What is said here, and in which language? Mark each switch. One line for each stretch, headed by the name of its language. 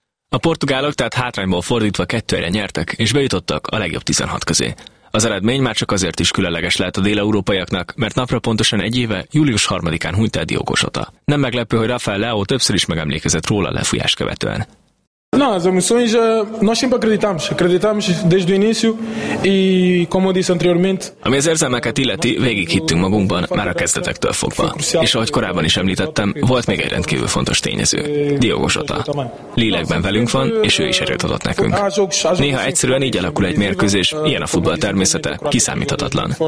Hungarian: A portugálok tehát hátrányból fordítva 2-1-re nyertek, és bejutottak a legjobb 16 közé. Az eredmény már csak azért is különleges lehet a déleurópaiaknak, mert napra pontosan egy éve, július 3-án hunyt el Diogo Jota. Nem meglepő, hogy Rafael Leao többször is megemlékezett róla lefújást követően.
Portuguese: Não, as emoções, nós sempre acreditámos desde o início e como disse anteriormente.
Hungarian: Ami az érzelmeket illeti, végig hittünk magunkban, már a kezdetektől fogva. És ahogy korábban is említettem, volt még egy rendkívül fontos tényező, Diogo Jota. Lélekben velünk van, és ő is erőt adott nekünk. Néha egyszerűen így alakul egy mérkőzés, ilyen a futball természete, kiszámíthatatlan.